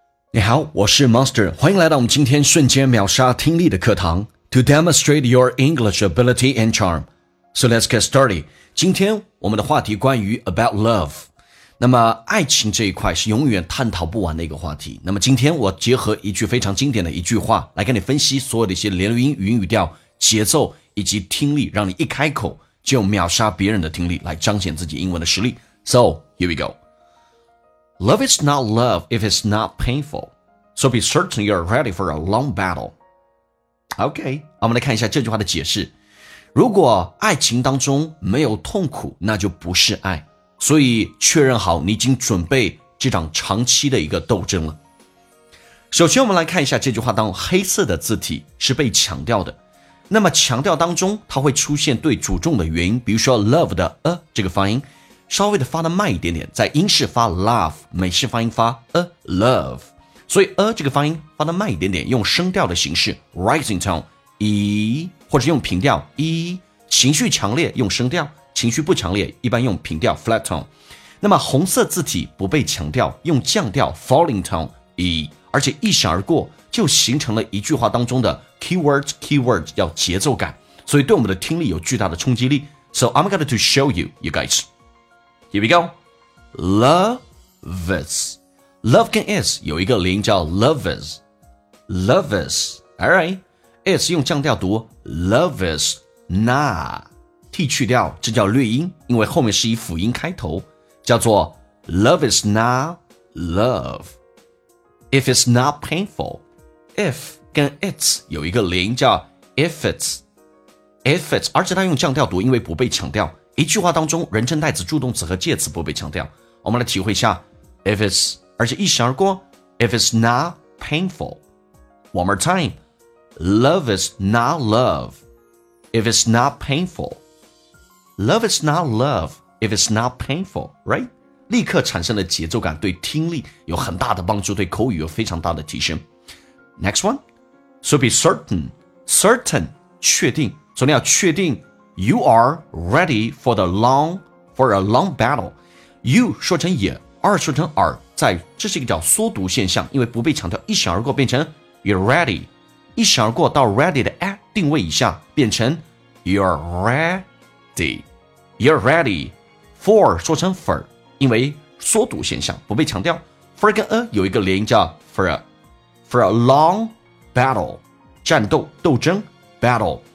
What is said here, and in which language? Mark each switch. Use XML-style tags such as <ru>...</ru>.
<zh>你好，我是 Monster， 欢迎来到我们今天瞬间秒杀听力的课堂。</zh> <en>To demonstrate your English ability and charm. So let's get started.</en> <zh>今天我们的话题关于 about love。那么爱情这一块是永远探讨不完的一个话题。那么今天我结合一句非常经典的一句话来跟你分析所有的一些连音、语音、语调、节奏以及听力，让你一开口就秒杀别人的听力，来彰显自己英文的实力。</zh> <en>So, here we go. Love is not love if it's not painful. So be certain you're ready for a long battle.</en> <zh>Okay, 我们来看一下这句话的解释。如果爱情当中没有痛苦，那就不是爱。所以确认好你已经准备这场长期的一个斗争了。首先我们来看一下这句话当中黑色的字体是被强调的。那么强调当中它会出现对主重的元音，比如说 love 的这个发音。稍微的发的慢一点点，在英式发 love， 美式发音发 love， 所以这个发音发的慢一点点，用声调的形式 rising tone， 或者用平调情绪强烈用声调，情绪不强烈一般用平调 flat tone。那么红色字体不被强调，用降调 falling tone， 而且一闪而过就形成了一句话当中的 keywords 要节奏感，所以对我们的听力有巨大的冲击力。</zh> <en>So I'm going to show you guysHere we go. Love is. Love 跟 is</en> <zh>有一个连音叫</zh> <en>love is. Love is. Alright. Is</en> <zh>用降调读</zh> <en>love is not.</en> <zh>去掉这叫略音，因为后面是以辅音开头，叫做</zh> <en>love is not love. If it's not painful. If 跟 it's</en> <zh>有一个连音叫</zh> <en>if it's. If it's.</en> <zh>而且它用降调读，因为不被强调。一句话当中人称代词、助动词和介词不被强调，我们来体会一下</zh> <en>if it's， 而且一闪而过 if it's not painful， one more time， love is not love if it's not painful， love is not love if it's not painful， right，</en> <zh>立刻产生了节奏感，对听力有很大的帮助，对口语有非常大的提升。</zh> <en>next one， so be certain， certain 确定，</en> <zh>所以你要确定</zh> <en>You are ready for a long battle.</en> <zh>You 说成也，而说成而，在这是一个叫缩读现象，因为不被强调，一闪而过变成 you're ready， 一闪而过到 ready 的定位一下变成 you're ready， you're ready for 说成 for， 因为缩读现象不被强调 ，for 跟有一个连音叫 for a long battle， 战斗斗争 battle。</zh>